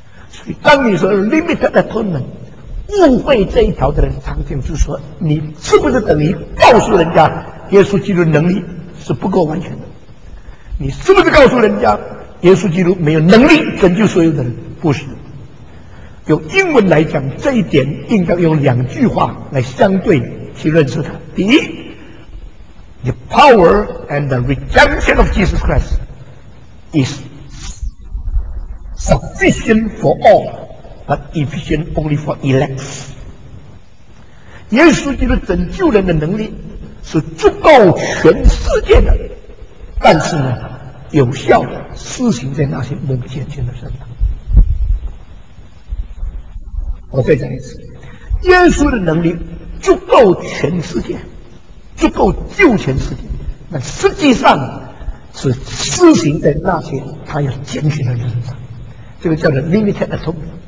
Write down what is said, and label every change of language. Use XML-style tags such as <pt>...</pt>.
<zh>所以当你说 limited atonement， 误会这一条的人常见是说，你是不是等于告诉人家耶稣基督能力是不够完全的？你是不是告诉人家耶稣基督没有能力拯救所有的人？不是。用英文来讲，这一点应该用两句话来相对去认识它。</zh> <en>第一， The power and the redemption of Jesus Christ is sufficient for all, but efficient only for elects.</en> <zh>耶稣基督拯救人的能力是足够全世界的，但是呢，有效的施行在那些蒙拣选的身上。我再讲一次，耶稣的能力足够全世界，足够救全世界，那实际上是施行在那些他要拣选的人身上，这个叫做 limited atonement。</zh>